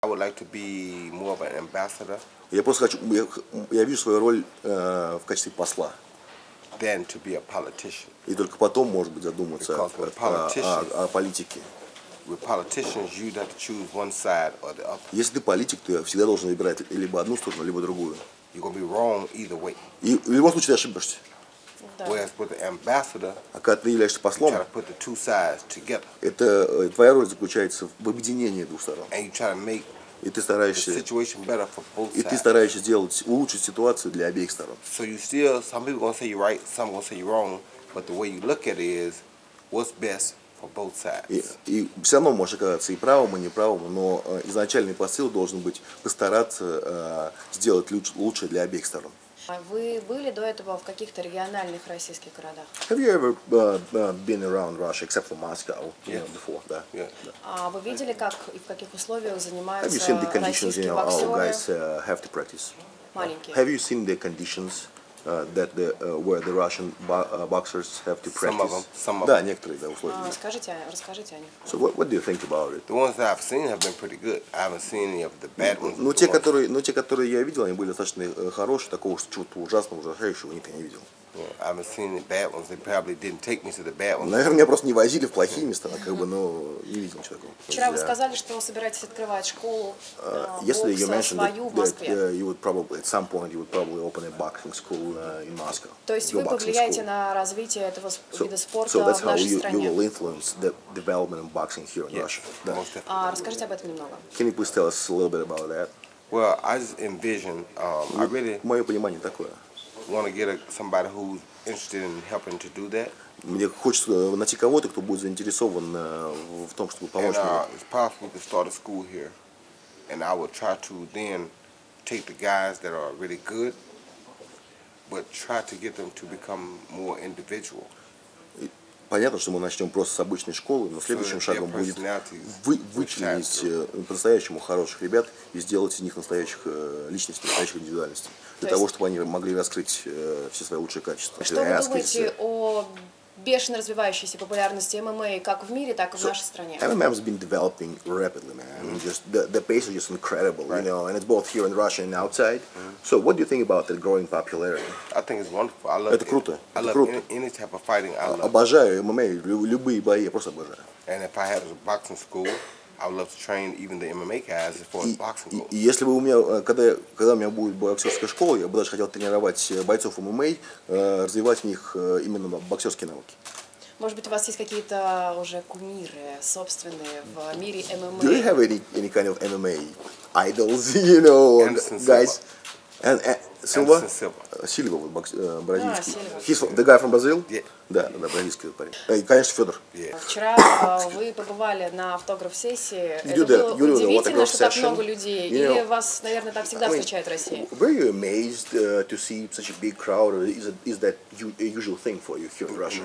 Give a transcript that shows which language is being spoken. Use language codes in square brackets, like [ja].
[en] I would like to be more of an ambassador. [ru] Я просто хочу, я вижу свою роль в качестве посла. [en] Then to be a politician. [ru] И только потом, может быть, задуматься о политике. [en] With politicians, you have to choose one side or the other. [ru] Если ты политик, ты всегда должен выбирать либо одну сторону, либо другую. [en] You're gonna be wrong either way. [ru] И в любом случае ты ошибешься. [en] Whereas with the ambassador, [ru] а когда ты являешься послом, [en] you try to put the two sides together. [ru] Это твоя роль заключается в объединении двух сторон. [en] And you try to make [ru] и ты стараешься, [en] the situation better for both sides. [ru] И ты стараешься делать, улучшить ситуацию для обеих сторон. [en] So you still, some people gonna say you're right, some gonna say you're wrong, but the way you look at it is what's best for both sides. [ru] И все равно можешь оказаться и правым, и неправым, но изначальный посыл должен быть постараться сделать лучше для обеих сторон. А вы были до этого в каких-то региональных российских городах? [en] Have you ever been around Russia except for Moscow? Yes. You know, before, [ru] да. [en] Yeah. [ru] А вы видели, как и в каких условиях занимаются [en] have you seen the conditions, [ru] российские [en] you know, [ru] боксеры? [en] Guys, have to practice? [ru] Маленькие. [en] Have you seen the conditions that the where the Russian boxers have to practice? Some of them. [ru] Да, некоторые, да, условия. Расскажите о них. [en] So what do you think about it? The ones that I've seen have been pretty good. I haven't seen any of the bad ones. [ru] Ну те, которые я видел, они были достаточно хорошие, такого чего-то ужасного, ужасающего никогда не видел. [en] Yeah, I haven't seen the bad ones. They probably didn't take me to the bad ones. [ru] Наверное, меня просто не возили в плохие места, как бы, но не видел человека. Вчера вы сказали, что вы собираетесь открывать школу бокса свою в Москве. [en] You would probably open a boxing school in Moscow. [ru] То есть вы повлияете на развитие этого вида спорта в нашей стране. [en] So that's how you will influence the development of boxing here in Russia. [ru] Расскажите об этом немного. [en] Can you please tell us a little bit about that? Well, I just envision. [ru] Мое понимание такое. [en] Want to get somebody who's interested in helping to do that? [ru] Мне хочется найти кого-то, кто будет заинтересован в том, чтобы помочь мне. [en] It's possible to start a school here, and I will try to then take the guys that are really good, but try to get them to become more individual. [ru] Понятно, что мы начнем просто с обычной школы, но следующим шагом будет вычленить по-настоящему хороших ребят и сделать из них настоящих личностей, настоящих индивидуальностей. Для того, чтобы они могли раскрыть все свои лучшие качества. Что вы думаете о бешено развивающейся популярности MMA как в мире, так и в нашей стране? [en] MMA has been developing rapidly, man. I mean, just the pace is just incredible, right. You know, and it's both here in Russia and outside. Mm-hmm. So what do you think about the growing popularity? I think it's wonderful. I love [ru] это круто. [en] I love any type of fighting. I love. [ru] Обожаю MMA, любые бои, я просто обожаю. [en] And if I had a boxing school, I would love to train even the MMA guys for boxing goals. [ru] И если бы у меня, когда у меня будет боксерская школа, я бы даже хотел тренировать бойцов MMA, развивать в них именно боксерские навыки. Может быть, у вас есть какие-то уже кумиры собственные в мире MMA? [en] Do you have any kind of MMA idols, you know, guys? Silva? [ru] Silva, бразильский. [en] Yeah, Silva. The guy from Brazil? Yeah. [ru] Да, бразильский парень. И, конечно, Федор. [en] Yeah. [ru] Вчера вы побывали на автограф-сессии. [en] You [ru] это было удивительно, что [en] session. [ru] Так много людей. [en] You [ru] know, и вас, наверное, так всегда встречают в России. [en] Were you amazed to see such a big crowd? Or is that a usual thing for you here in Russia?